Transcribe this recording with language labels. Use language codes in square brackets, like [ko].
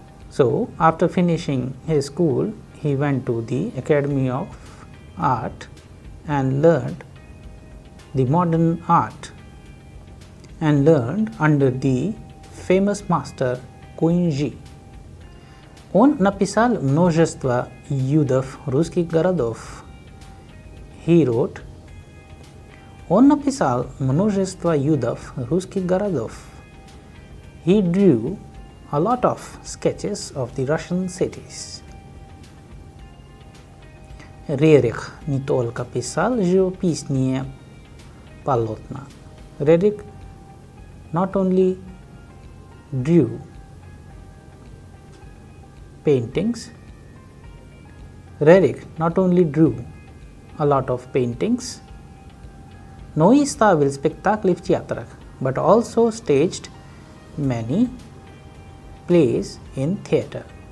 [en] So, after finishing his school, he went to the Academy of Art and learned the modern art and learned under the famous master Куинжи. [ru] Он написал множество юдов русских городов. [en] He wrote, [ru] он написал множество юдов русских городов. [en] He drew a lot of sketches of the Russian cities. [ru] Рерих не только писал живописные полотна. [en] Рерих not only drew paintings. Рерих not only drew a lot of paintings, [ru] но и ставил спектакли в театрах, [en] but also staged many plays in theatre.